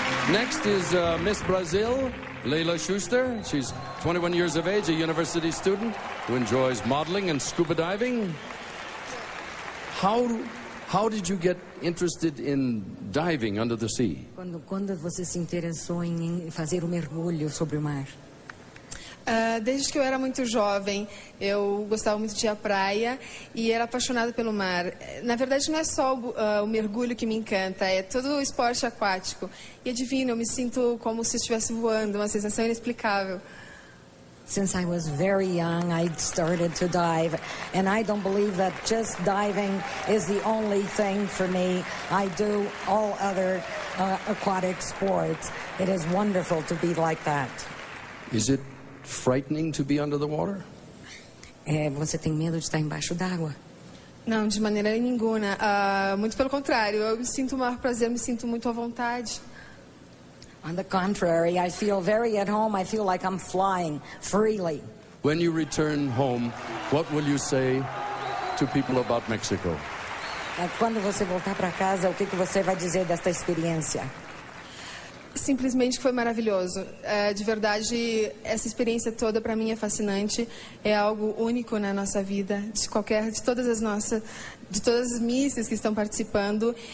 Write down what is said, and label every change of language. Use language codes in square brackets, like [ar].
[en] Next is Miss Brazil, Leila Schuster. She's 21 years of age, a university student who enjoys modeling and scuba diving. How did you get interested in diving under the sea? [pt] Quando você se interessou em fazer o mergulho sobre o mar? Desde que eu era muito jovem, eu gostava muito de ir à praia e era apaixonada pelo mar. Na verdade, não é só o mergulho que me encanta, é todo o esporte aquático. E adivinha, eu me sinto como se estivesse voando, uma sensação inexplicável. [en] Since I was very young, I started to dive, and I don't believe that just diving is the only thing for me. I do all other aquatic sports. It is wonderful to be like that. Is it frightening to be under the water? [pt] Você tem medo de estar embaixo d'água? Não, de maneira nenhuma. Muito pelo contrário, eu me sinto o maior prazer, me sinto muito à vontade. [en] On the contrary, I feel very at home. I feel like I'm flying freely. When you return home, what will you say to people about Mexico? [pt] Quando você voltar para casa, o que que você vai dizer desta experiência? Simplesmente foi maravilhoso. De verdade, essa experiência toda para mim é fascinante. É algo único na nossa vida, de todas as missas que estão participando.